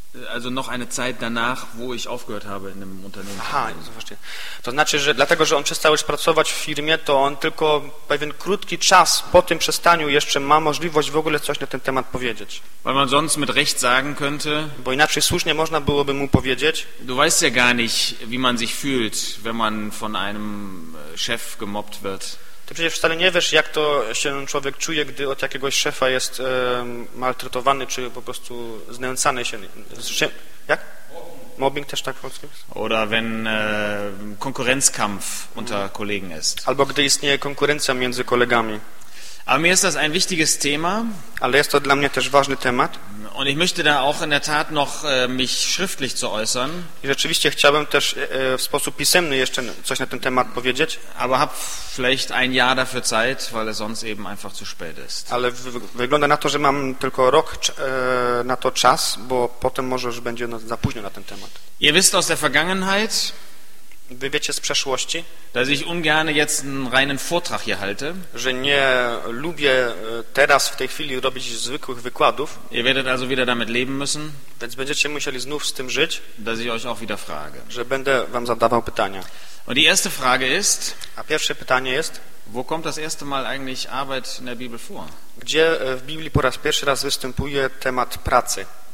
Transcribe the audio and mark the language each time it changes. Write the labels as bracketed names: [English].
[German] also noch eine Zeit danach, wo ich aufgehört habe in dem Unternehmen. Aha, so verstehe. [Polish] To znaczy, że dlatego, że on przestał już pracować w firmie, to on tylko pewien krótki czas po tym przestaniu jeszcze ma możliwość w ogóle coś na ten temat powiedzieć. [German] Weil man sonst mit Recht sagen könnte. [Polish] Bo inaczej słusznie można byłoby mu powiedzieć. [German] Du weißt ja gar nicht, wie man sich fühlt, wenn man von einem Chef gemobbt wird. [Polish] Ty przecież wcale nie wiesz, jak to się człowiek czuje, gdy od jakiegoś szefa jest maltretowany, czy po prostu znęcany się. Jak? Mobbing też tak w polskim? [German] Oder wenn Konkurrenzkampf unter Kollegen ist. [Polish] Albo gdy istnieje konkurencja między kolegami. [German] Aber mir ist das ein wichtiges Thema. [Polish] Ale jest to dla mnie też ważny temat. [German] Und ich möchte da auch in der Tat noch mich schriftlich zu äußern. [Polish] I rzeczywiście chciałbym też w sposób pisemny jeszcze coś na ten temat powiedzieć. [German] Aber hab vielleicht ein Jahr dafür Zeit, weil es sonst eben einfach zu spät ist. [Polish] Ale wygląda na to, że mam tylko rok na to czas, bo potem może już będzie za późno na ten temat. [German] Ihr wisst aus der Vergangenheit. [Polish] Wy wiecie z przeszłości, [German] dass ich ungern jetzt einen reinen Vortrag hier halte, [Polish] że nie lubię teraz w tej chwili robić zwykłych wykładów. [German] Ihr werdet also wieder damit leben müssen, [Polish] więc będziecie musieli znów z tym żyć, [German] dass ich euch auch wieder frage, [Polish] że będę wam zadawał pytania. [German] Und die erste Frage ist, [Polish] a pierwsze pytanie jest, [German] wo kommt das erste Mal eigentlich Arbeit in der Bibel vor? [Polish] Gdzie w Biblii po raz pierwszy raz występuje temat pracy?